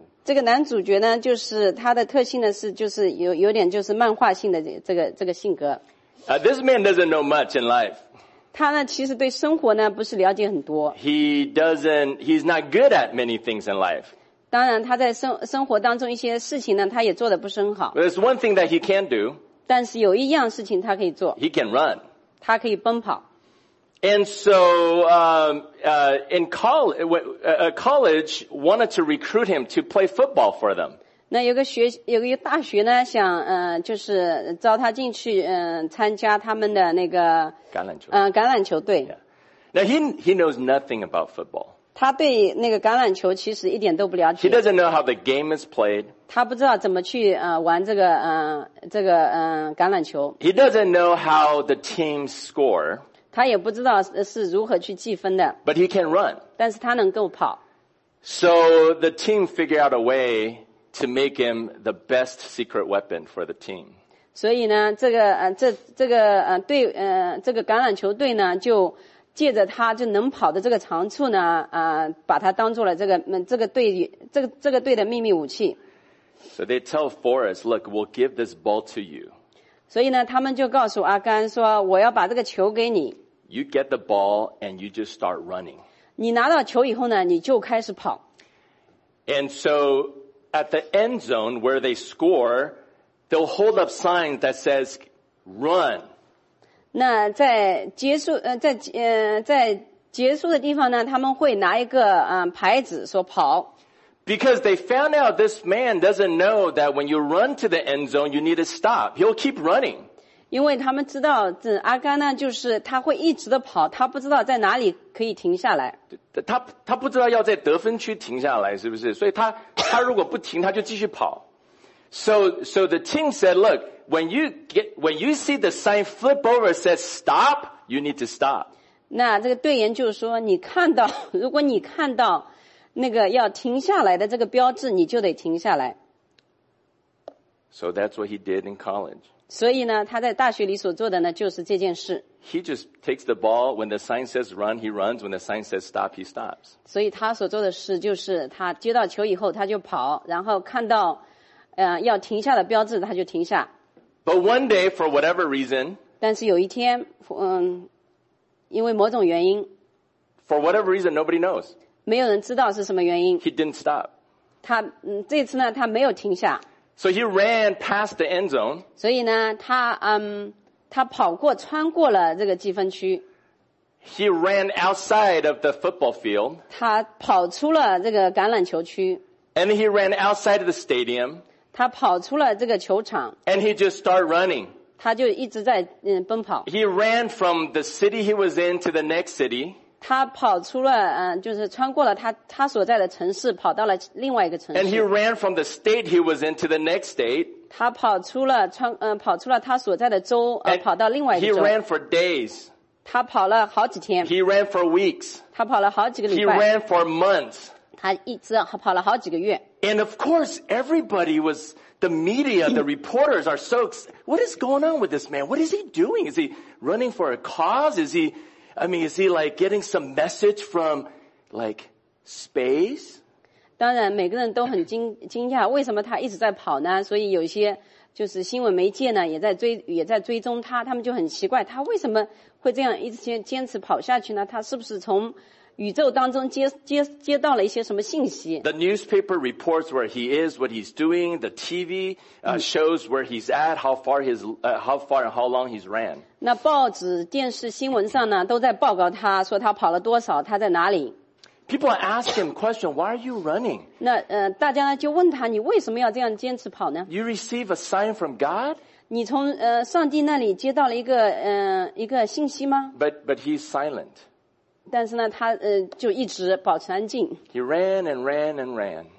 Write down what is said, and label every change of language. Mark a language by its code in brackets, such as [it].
[zh] 这个男主角呢，就是他的特性呢是，就是有点就是漫画性的这个性格。 [en] This man doesn't know much in life. [zh] 他呢，其实对生活呢不是了解很多。 [en] He's not good at many things in life. [zh] 当然，他在生活当中一些事情呢，他也做的不是很好。 [en] There's one thing that he can do. [zh] 但是有一样事情他可以做。 [en] He can run. [zh] 他可以奔跑。 [en] And so, in college wanted to recruit him to play football for them. [zh] 那有个大学呢想就是招他进去参加他们的那个橄榄球队。 [en] Yeah. Now he knows nothing about football. [zh] 他对那个橄榄球其实一点都不了解。 [en] He doesn't know how the game is played. [zh] 他不知道怎么去玩这个橄榄球。 [en] He doesn't know how the team score. [zh] 他也不知道是如何去计分的。 [en] But he can run. [zh] 但是他能够跑。 [en] So the team figured out a way to make him the best secret weapon for the team. [zh] 所以呢这个橄榄球队呢就借着他就能跑的这个长处呢把他当做了这个队的秘密武器。 [en] So they tell Forrest, look, we'll give this ball to you. [zh] 所以呢他们就告诉阿甘说我要把这个球给你。 [en] You get the ball and you just start running. [zh] 你拿到球以后呢你就开始跑。 [en] And so, at the end zone where they score, they'll hold up signs that says, run. [zh] 那在结束的地方呢他们会拿一个牌子说跑。 [en] Because they found out this man doesn't know that when you run to the end zone, you need to stop. He'll keep running. [zh] 因为他们知道这阿甘呢就是他会一直的跑他不知道在哪里可以停下来。他不知道要在得分区停下来是不是所以他如果不停他就继续跑。 [en] So the team said, look, when you see the sign flip over says stop, you need to stop. [zh] 那这个队员就说你看到如果你看到那个要停下来的这个标志你就得停下来。 [en] So that's what he did in college. [zh] 所以呢他在大学里所做的呢就是这件事。 [en] He just takes the ball, when the sign says run, he runs, when the sign says stop, he stops. [zh] 所以他所做的事就是他接到球以后他就跑然后看到要停下的标志他就停下。 [en] But one day, for whatever reason, [zh] 但是有一天因为某种原因 [en] For whatever reason, nobody knows. [zh] 没有人知道是什么原因。 [en] He didn't stop. [zh] 他嗯，这次呢，他没有停下。 [en] So he ran past the end zone. [zh] 所以呢，他他跑过，穿过了这个计分区。 [en] He ran outside of the football field. [zh] 他跑出了这个橄榄球区。 [en] And he ran outside of the stadium. [zh] 他跑出了这个球场。 [en] And he just started running. [zh] 他就一直在嗯奔跑。 [en] He ran from the city he was in to the next city. [zh] 他跑出了嗯，就是穿过了他所在的城市，跑到了另外一个城市。 [en] And he ran from the state he was in to the next state. [zh] 他跑出了跑出了他所在的州，跑到另外一个州。 [en] He ran for days. [zh] 他跑了好几天。 [en] He ran for weeks. [zh] 他跑了好几个礼拜。 [en] He ran for months. [zh] 他一直跑了好几个月。 [en] And of course, everybody was, the media, the reporters are so excited. What is going on with this man? What is he doing? Is he running for a cause? Is he like getting some message from, like, space? [zh] 当然每个人都很惊讶为什么他一直在跑呢所以有些就是新闻媒介呢也在追踪他他们就很奇怪他为什么会这样一直坚持跑下去呢他是不是从宇宙当中接到了一些什么信息 [en] The newspaper reports where he is, what he's doing, the TV, shows where he's at, how far and how long he's ran. [zh] 那报纸电视新闻上呢都在报告他说他跑了多少他在哪里。 [en] People ask him question, why are you running? [zh] 那大家呢就问他你为什么要这样坚持跑呢 [en] You receive a sign from God? [zh] 你从上帝那里接到了一个信息吗 [en] But he's silent. [zh] 但是呢他就一直保持安静。 [en] He ran and ran and ran.